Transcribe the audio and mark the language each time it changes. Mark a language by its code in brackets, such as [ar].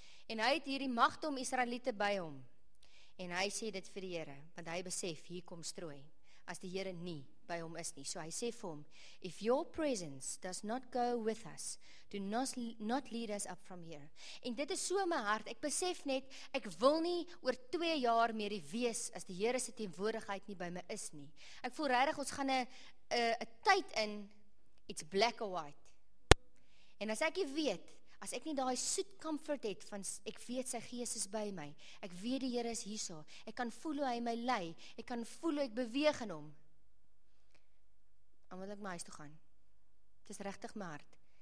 [af] En hy het hier die magt om Israeliete by hom. En hy sê dit vir die Here, want hy besef, hier kom strooi, as die Here nie by hom is nie. [en] So hy sê vir hom, if your presence does not go with us, do not lead us up from here. [af] En dit is so my hart, ek besef net, ek wil nie oor 2 jaar meer wees, as die Here se teenwoordigheid nie by my is nie. Ek voel regtig, ons gaan een tyd in, [en] it's black or white. [af] En as ek nie weet, as ek nie daai soet comfort het, van ek weet sy gees is by my, ek weet die Here is hierso, ek kan voel hoe hy my lei, ek kan voel hoe ek beweeg in hom, en wil ek my huis toe gaan. Het is rechtig my hart.